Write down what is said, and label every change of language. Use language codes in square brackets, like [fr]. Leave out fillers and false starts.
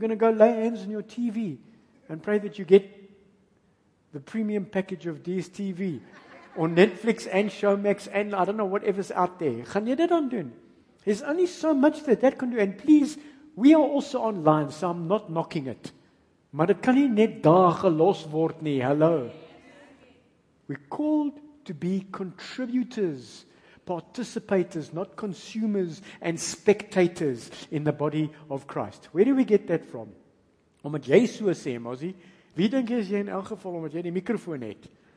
[en] You're going to go lay hands on your TV and pray that you get the premium package of DSTV or Netflix and Showmax and I don't know whatever's out there. Can you do that? There's only so much that that can do. And please, we are also online, so I'm not knocking it. [af] Maar dit kan nie net daar gelos word nie. [en] Hello. We called to be contributors, participators, not consumers and spectators in the body of Christ. Where do we get that from? [af] Omdat jy so sê, Mosie, wie dink jy is jy in elk geval omdat jy die mikrofoon het?